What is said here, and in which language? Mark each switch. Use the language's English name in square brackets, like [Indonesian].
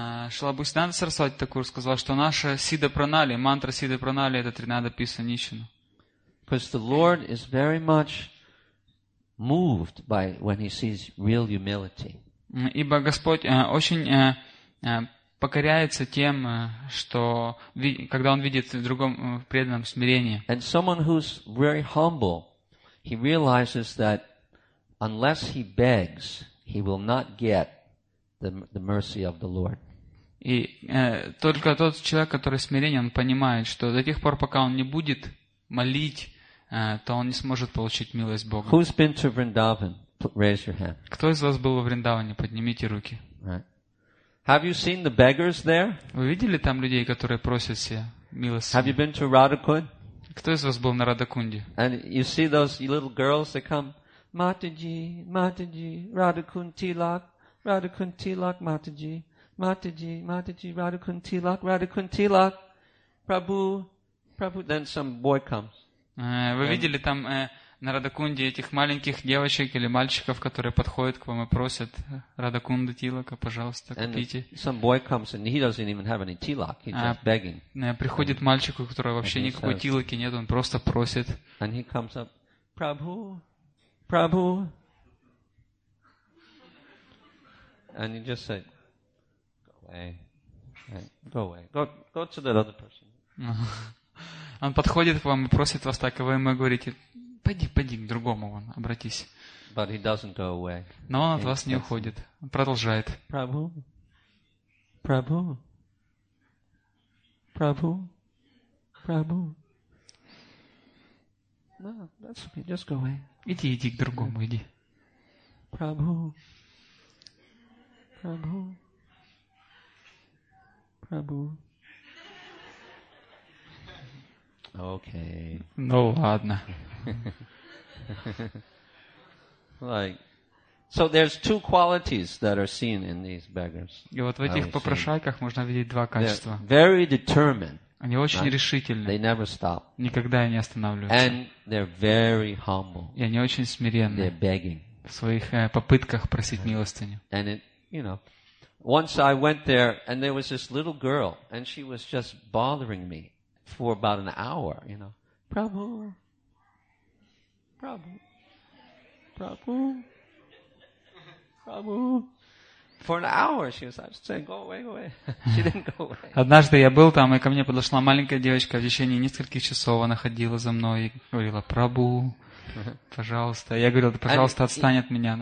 [Russian] Шрила Бхактисиддханта Сарасвати Такур сказал, что наша Сидда Пранали, мантра Сидда Пранали, это Тринадапи Санишина. [English] Because the Lord is very much moved by when he sees real humility. [Russian] Ибо Господь очень покоряется тем, что когда он видит в другом преданном смирении. [English] And someone who's very humble, he realizes that unless he begs, he will not get the mercy of the Lord. [Russian] И только тот человек, который смиренен, он понимает, что до тех пор, пока он не будет молить, то он не сможет получить милость Бога. [English] Who's been to Vrindavan? Raise your hand. [Russian] Кто из вас был во Вриндаване? Поднимите руки. [English] Have you seen the beggars there? [Russian] Вы видели там людей, которые просят себе милости? [English] Have you been to Radhakund? [Russian] Кто из вас был на Радхакунде? [English] And you see those little girls that come, Mataji, Mataji, Radhakund Tilak, Radhakund Tilak, Mataji, Mataji, Mataji, Radhakund Tilak, Radhakund Tilak, Prabhu, Prabhu. Then some boy comes. [Russian] Вы видели там на Радхакунде этих маленьких девочек или мальчиков, которые подходят к вам и просят Радхакунда Тилака, пожалуйста, купите. [English] Some boy comes and he doesn't even have any tilak, he's just begging. [Russian] Приходит мальчик, у которого вообще никакой тилаки нет, он просто просит. [English] And he comes up, Prabhu, Prabhu. And he just said, go away, go away, go to that other person. [Russian] Он подходит к вам и просит вас так, и вы ему говорите, пойди к другому, вон, обратись. [English] But he doesn't go away. [Russian] Но он от вас не уходит. Он продолжает. [English] Prabhu. Prabhu. Prabhu. Prabhu. No, that's okay. Just go away. [Russian] Иди к другому, иди. [English] Prabhu. Prabhu. Prabhu. Okay. [Russian] Ну ладно. [English] Like, so there's two qualities that are seen in these beggars. [Russian] И вот в этих попрошайках можно видеть два качества. [English] They're very determined. [Russian] Они очень решительны. [English] They never stop. [Russian] Никогда не останавливаются. [English] And they're very humble. [Russian] И они очень смиренны. [English] They're begging. [Russian] В своих попытках просить милостыню. [English] And it, you know, once I went there, and there was this little girl, and she was just bothering me for about an hour, you know. Prabhu. Prabhu. Prabhu. Prabhu. For an hour she was saying, go away, go away. She didn't go away. [Russian] Однажды я был там, и ко мне подошла маленькая девочка, в течение нескольких часов она ходила за мной и говорила, Прабу, пожалуйста. Я говорил, да, пожалуйста, отстань от меня.